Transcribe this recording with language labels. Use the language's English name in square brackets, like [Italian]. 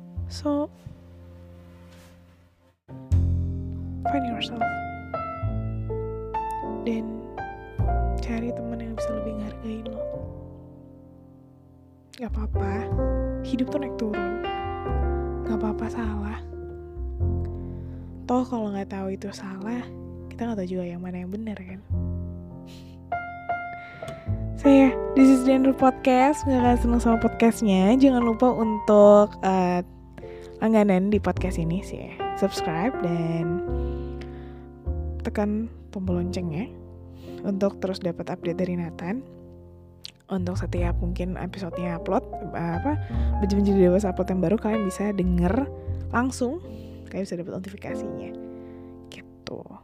[English] So find yourself [Indonesian] dan cari teman yang bisa lebih ngehargain lo. Gak apa-apa, hidup tuh naik turun. Gak apa-apa salah. Toh kalau nggak tahu itu salah, kita nggak tahu juga yang mana yang benar kan. [English] So yeah, this is the end of the podcast. [Indonesian] Gak kalian seneng sama podcastnya, jangan lupa untuk langganan di podcast ini sih ya. Subscribe dan tekan tombol loncengnya untuk terus dapat update dari Nathan. Untuk setiap mungkin episode-nya upload, Menjadi Dewasa upload yang baru, kalian bisa denger langsung, kalian bisa dapat notifikasinya gitu.